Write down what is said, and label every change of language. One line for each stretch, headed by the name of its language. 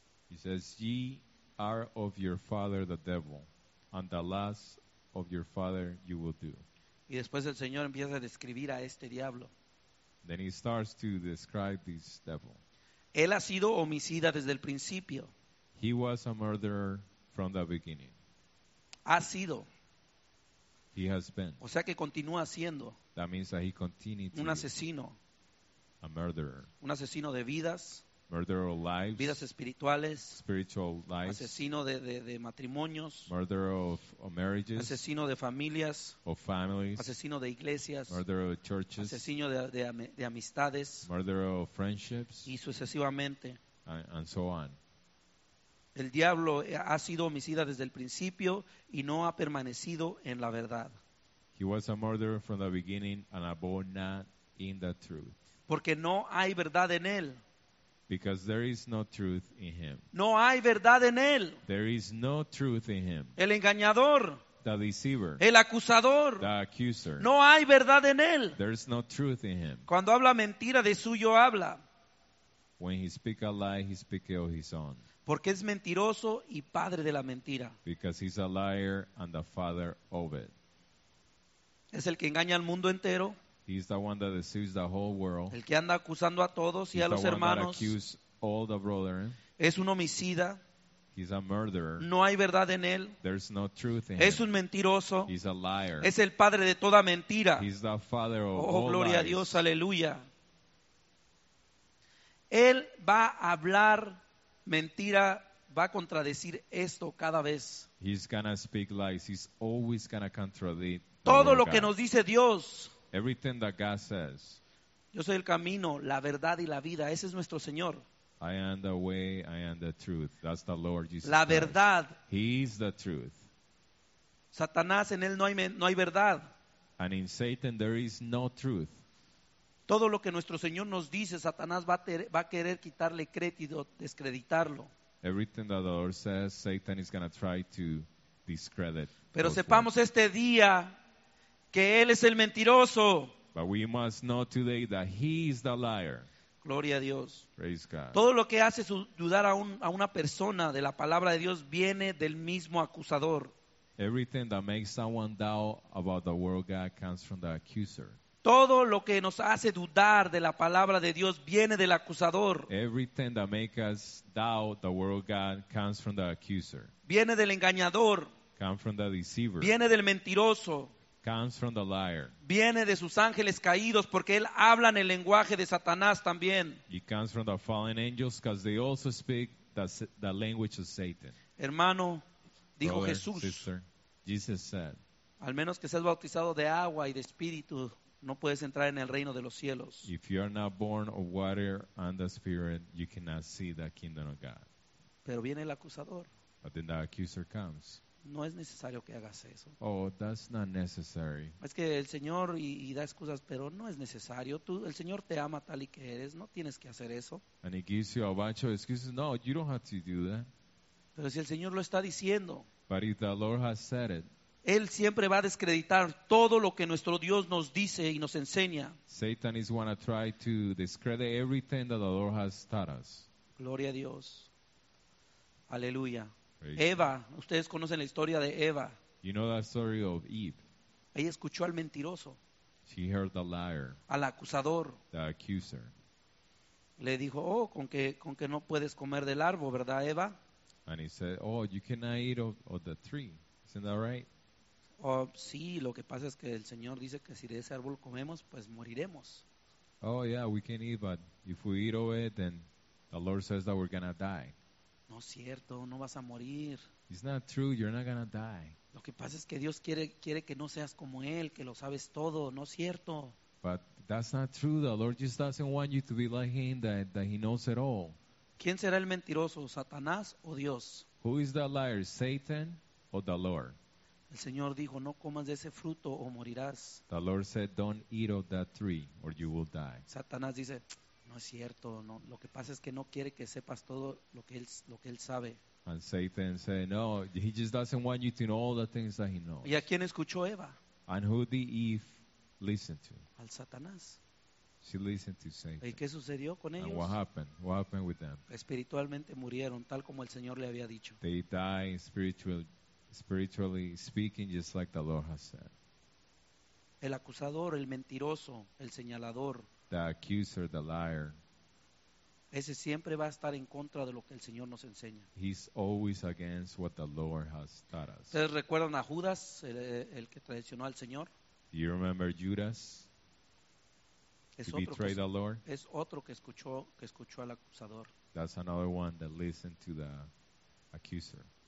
English: He says, ye are of your father the devil, and the lust of your father you will do.
Spanish: Y después el Señor empieza a describir a este diablo.
English: Then he starts to describe this devil.
Spanish: Él ha sido homicida desde el principio.
English: He was a murderer from the beginning.
Spanish: Ha sido.
English: He has been.
Spanish: O sea que continúa siendo.
English: That means that he continued
Spanish: un asesino.
English: A murderer.
Spanish: Un asesino de vidas.
English: Murderer of lives,
Spanish: vidas espirituales,
English: spiritual lives,
Spanish: asesino de matrimonios,
English: murderer of marriages,
Spanish: asesino de familias,
English: of families,
Spanish: asesino de iglesias,
English: murderer of churches,
Spanish: asesino de amistades,
English: murderer of friendships,
Spanish: y sucesivamente,
English: and so on.
Spanish: El diablo ha sido homicida desde el principio y no ha permanecido en la verdad.
English: He was a murderer from the beginning and abode not in the truth.
Spanish: Porque no hay verdad en él.
English: Because there is no truth in him.
Spanish: No hay verdad en él.
English: There is no truth in him.
Spanish: El engañador.
English: The deceiver.
Spanish: El acusador.
English: The accuser.
Spanish: No hay verdad en él.
English: There is no truth in him.
Spanish: Cuando habla mentira, de suyo habla.
English: When he speaks a lie, he speaks of his own.
Spanish: Porque es mentiroso y padre de la mentira.
English: Because he's a liar and the father of it.
Spanish: Es el que engaña al mundo entero.
English: He's the one that deceives the whole world.
Spanish: El que anda acusando a todos y
English: he's
Spanish: a los hermanos.
English: He's the one that accuses all the brethren.
Spanish: Es un homicida.
English: He's a murderer.
Spanish: No hay verdad en él.
English: There's no truth in
Spanish: es un mentiroso.
English: He's a liar.
Spanish: Es el padre de toda mentira.
English: He's the father of oh, all
Spanish: gloria
English: lies.
Spanish: A Dios, aleluya. Él va a hablar mentira, va a contradecir esto cada vez.
English: He's gonna speak lies. He's always gonna contradict
Spanish: todo lo que nos dice Dios.
English: Everything that God says.
Spanish: Yo soy el camino, la verdad y la vida. Ese es nuestro Señor.
English: I am the way, I am the truth. That's the Lord Jesus.
Spanish: La verdad.
English: Christ. He is the truth.
Spanish: Satanás, en él no hay verdad.
English: And in Satan there is no truth.
Spanish: Todo lo que nuestro Señor nos dice, Satanás va a querer quitarle crédito, descreditarlo.
English: Everything that the Lord says, Satan is going to try to discredit.
Spanish: Pero sepamos este día que él es el mentiroso.
English: But we must know today that he is the liar.
Spanish: Gloria a Dios.
English: Praise God.
Spanish: Todo lo que hace dudar a una persona de la palabra de Dios viene del mismo acusador.
English: Everything that makes someone doubt about the word of God comes from the accuser.
Spanish: Todo lo que nos hace dudar de la palabra de Dios viene del acusador.
English: Everything that makes us doubt the word of God comes from the accuser.
Spanish: Viene del engañador.
English: Comes from the deceiver.
Spanish: Viene del mentiroso.
English: Comes from the liar.
Spanish: Viene de sus ángeles caídos porque él habla en el lenguaje de Satanás también.
English: It comes from the fallen angels because they also speak the language of Satan.
Spanish: Hermano, dijo
English: Brother,
Spanish: Jesús.
English: Sister, Jesus said,
Spanish: al menos que seas bautizado de agua y de espíritu, no puedes entrar en el reino de los cielos.
English: If you are not born of water and the spirit, you cannot see the kingdom of God.
Spanish: Pero viene el acusador.
English: But then the accuser comes.
Spanish: No es necesario que hagas eso.
English: Oh, that's not necessary.
Spanish: Es que el Señor y da excusas, pero no es necesario. Tú, el Señor te ama tal y que eres. No tienes que hacer eso.
English: And he gives you a bunch of excuses. No, you don't have to do that.
Spanish: Pero si el Señor lo está diciendo.
English: But if the Lord has said it.
Spanish: Él siempre va a descreditar todo lo que nuestro Dios nos dice y nos enseña.
English: Satan is going to try to discredit everything that the Lord has taught us.
Spanish: Gloria a Dios. Aleluya. Eva, ustedes conocen la historia de Eva.
English: You know that story of Eve.
Spanish: Ella escuchó al mentiroso.
English: She heard the liar.
Spanish: Al acusador.
English: The accuser.
Spanish: Le dijo, oh, con que no puedes comer del árbol, ¿verdad, Eva?
English: And he said, oh, you cannot eat of the tree. Isn't that right?
Spanish: Oh, sí, lo que pasa es que el Señor dice que si de ese árbol comemos, pues moriremos.
English: Oh, yeah, we can eat, but if we eat of it, then the Lord says that we're going to die.
Spanish: No es cierto, no vas a morir.
English: It's not true, you're not going to die.
Spanish: Lo que pasa es que Dios quiere que no seas como Él, que lo sabes todo, no es cierto.
English: But that's not true, the Lord just doesn't want you to be like Him, that He knows it all.
Spanish: ¿Quién será el mentiroso, Satanás o Dios?
English: Who is the liar, Satan or the Lord?
Spanish: El Señor dijo, no comas de ese fruto o morirás.
English: The Lord said, don't eat of that tree or you will die.
Spanish: Satanás dice, no es cierto. No. Lo que pasa es que no quiere que sepas todo lo que él sabe.
English: And Satan said, no, he just doesn't want you to know all the things that he knows.
Spanish: ¿Y a quién escuchó Eva?
English: And who did Eve listen to?
Spanish: Al Satanás.
English: She listened to Satan.
Spanish: ¿Y qué sucedió con ellos?
English: And what happened? What happened with them?
Spanish: Espiritualmente murieron, tal como el Señor le había dicho.
English: They died spiritually speaking, just like the Lord has said.
Spanish: El acusador, el mentiroso, el señalador.
English: The accuser, the liar.
Spanish: Ese siempre va a estar en contra de lo que el Señor nos enseña.
English: He's always against what the Lord has taught us.
Spanish: ¿Ustedes recuerdan a Judas, el que traicionó al Señor?
English: Do you remember Judas?
Spanish: Es otro que
English: betrayed the Lord?
Spanish: Es otro que escuchó al acusador.
English: That's another one that listened to the accuser.